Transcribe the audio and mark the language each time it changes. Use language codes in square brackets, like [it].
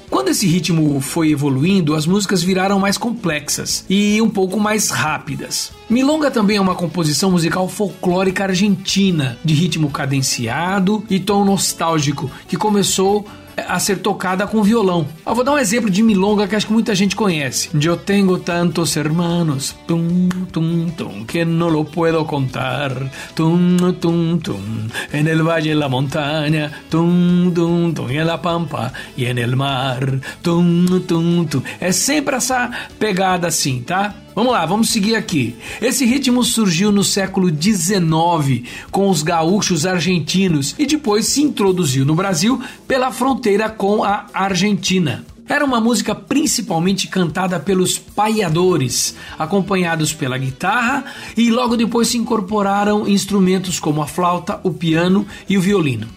[pt] Quando esse ritmo foi evoluindo, as músicas viraram mais complexas e um pouco mais rápidas. Milonga também é uma composição musical folclórica argentina, de ritmo cadenciado e tom nostálgico, que começou a ser tocada com violão. Eu vou dar um exemplo de milonga que acho que muita gente conhece. [es] Yo tengo tantos hermanos, tum, tum, tum, que no lo puedo contar, tum, tum, tum, en el valle, en la montaña, tum, tum, tum, y en la pampa, y en el mar, tum, tum, tum. [pt] É sempre essa pegada assim, tá? Vamos lá, vamos seguir aqui. Esse ritmo surgiu no século XIX com os gaúchos argentinos e depois se introduziu no Brasil pela fronteira com a Argentina. Era uma música principalmente cantada pelos paiadores, acompanhados pela guitarra, e logo depois se incorporaram instrumentos como a flauta, o piano e o violino.